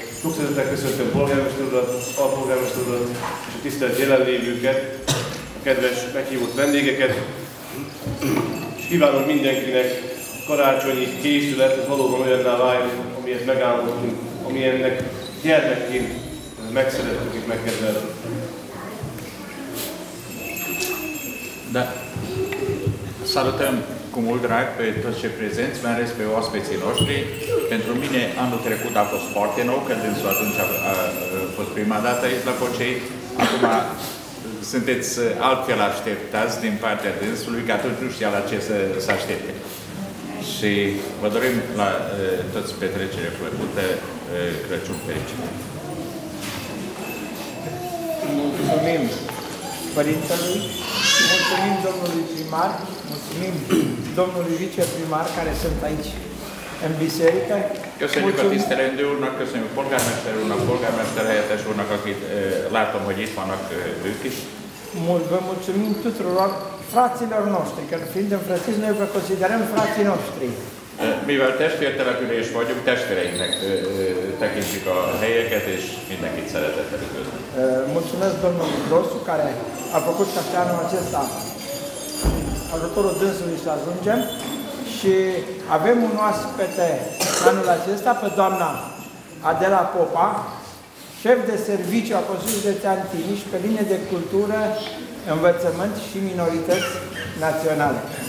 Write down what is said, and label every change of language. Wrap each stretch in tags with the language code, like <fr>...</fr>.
<hu>Sok szeretettel köszöntöm a polgármester urat és a tisztelt jelenlévőket, a kedves meghívott vendégeket. Kívánom mindenkinek karácsonyi készület, hogy valóban olyanná váljon, amilyet megálmodtunk, amilyennek gyermekként megszerettük és megkedveltük.</hu> <ro>De salutăm cu mult drag pe toți cei prezenți, mai ales pe oaspeții noștri. Pentru mine anul trecut a fost foarte nou, că dânsul atunci a fost prima dată aici la Pocei. Acum sunteți altfel așteptați din partea dânsului, că atunci nu știa la ce să aștepte. Și vă dorim la toți petrecere plăcută, Crăciun fericit. Mulțumim părintelui, mulțumim domnului primar, mulțumim domnului viceprimar care sunt aici în biserică.</ro> <hu>Köszönjük a tisztelendő úrnak, köszönjük a polgármester úrnak, polgármester helyettes úrnak, akit látom, hogy itt vannak ők is.</hu> <ro>Vă mulțumim tuturor fraților noștri, că fiind în frățiți, noi vă considerăm frații noștri.</ro> <hu>Mivel testvértelepülés vagyunk, testvéreinknek tekintjük a helyeket, és mindenkit szeretettel üdvözlünk.</hu> <ro>Mulțumesc domnul Grosu, care a făcut ca pe anul acesta ajutorul dânsului să ajungem. Și avem un oaspete anul acesta, pe doamna Adela Popa, șef de serviciu a Consiliului Județean Timiș pe linie de cultură, învățământ și minorități naționale.</ro>